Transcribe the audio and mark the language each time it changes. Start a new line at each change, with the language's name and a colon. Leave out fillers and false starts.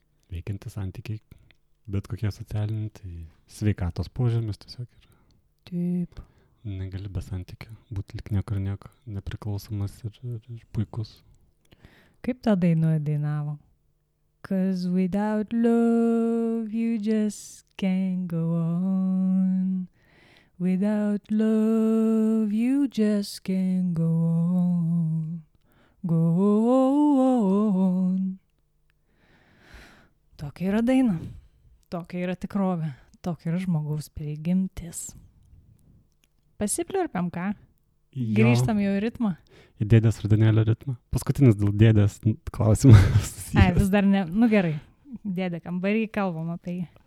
Lithuanian: Veikinti santykiai, bet kokie socialiniai, tai sveikatos požymis tiesiog yra. Taip. Negali be santykių būti lik niekur nieko, nepriklausomas ir puikus. Kaip tą dainuoja dainavo?
English: Cause without love you just can't go on. Without love, you just can't go on, go on.
Lithuanian: Tokia yra daina, tokia yra tikrovė, tokia yra žmogaus prigimtis. Pasipliurpiam, ką? Jo. Grįžtam jau į ritmą. Į dėdės rudenėlio ritmą. Paskutinis dėl dėdės klausimas. Ai, vis dar ne, nu gerai, dėdė kambarį kalbam apie jį.